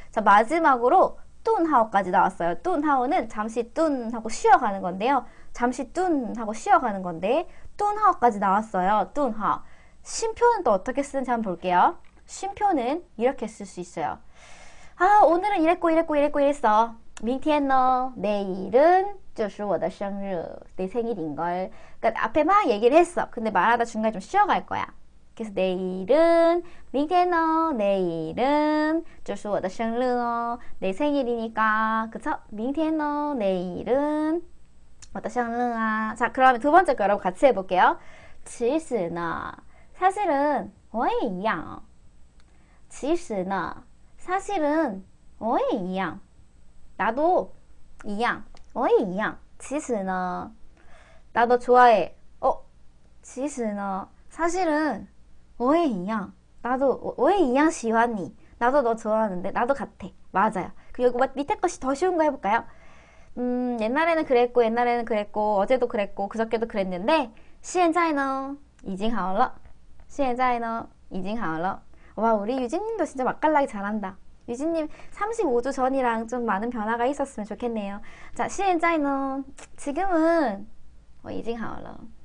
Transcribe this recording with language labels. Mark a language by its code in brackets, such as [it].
[ko] 자, 마지막으로 뚠하오까지 나왔어요. 뚠하오는 잠시 뚠하고 쉬어가는 건데요. 잠시 뚠하고 쉬어가는 건데 뚠하오까지 나왔어요. 뚠하. 쉼표는 또 어떻게 쓰는지 한번 볼게요. 쉼표는 이렇게 쓸수 있어요. 아, 오늘은 이랬고 이랬고 이랬고 이랬어. [zh] 明天呢, [ko] 내일은 [zh] 就是我的生日, [ko] 내 생일인걸. 그러니까 앞에 막 얘기를 했어. 근데 말하다 중간에 좀 쉬어갈 거야. 그래서 내일은, [zh] 明天呢, [ko] 내일은 [zh] 就是我的生日哦, [ko] 내 생일이니까. 그쵸? [zh] 明天呢, [ko] 내일은 [zh] 我的生日啊. [ko] 자, 그러면 두 번째 거 여러분 같이 해볼게요. [zh] 其实呢, [ko] 사실은 [zh] 我也一样. 其实呢, [ko] 사실은 [zh] 我也一样. [ko] 나도 이양, 어이 이양. [zh] 其实呢, [ko] 나도 좋아해. [zh] 其实呢, [ko] 사실은 어이 이양. 나도 어이 이양 [zh] 喜欢你. [ko] 나도 너 좋아하는데 나도 같아. 맞아요. 그리고 밑에 것이 더 쉬운 거 해볼까요? 옛날에는 그랬고 옛날에는 그랬고 어제도 그랬고 그저께도 그랬는데 [zh] 现在呢, 已经好了. 现在呢, 已经好了. [ko] 와, 우리 유진님도 진짜 맛깔나게 잘한다. 유진님, 35주 전이랑 좀 많은 변화가 있었으면 좋겠네요. 자, [zh] 现在呢, [ko] 지금은, [zh] 我已经好了.